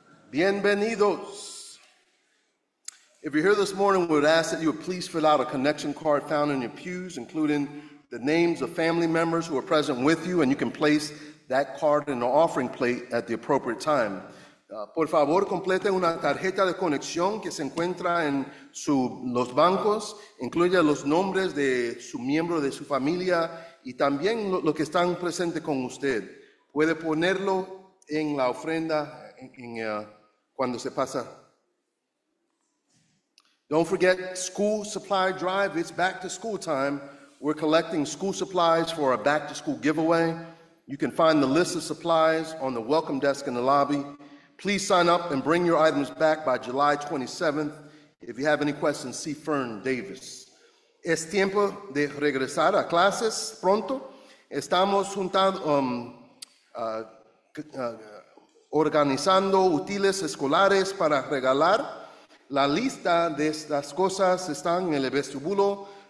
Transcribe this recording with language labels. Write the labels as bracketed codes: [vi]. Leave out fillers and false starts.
[en] Bienvenidos. If you're here this morning, we would ask that you would please fill out a connection card found in your pews, including the names of family members who are present with you, and you can place that card in the offering plate at the appropriate time. [es] Por favor, complete una tarjeta de conexión que se encuentra en los bancos. Incluya los nombres de su miembro de su familia y también lo que están presentes con usted. Puede ponerlo en la ofrenda cuando se pasa. [en] Don't forget school supply drive. It's back to school time. We're collecting school supplies for a back to school giveaway. You can find the list of supplies on the welcome desk in the lobby. Please sign up and bring your items back by July 27th. If you have any questions, see Fern Davis. [es] Es tiempo de regresar a clases pronto. Estamos organizando útiles escolares para regalar. La lista de estas cosas está en el vestíbulo.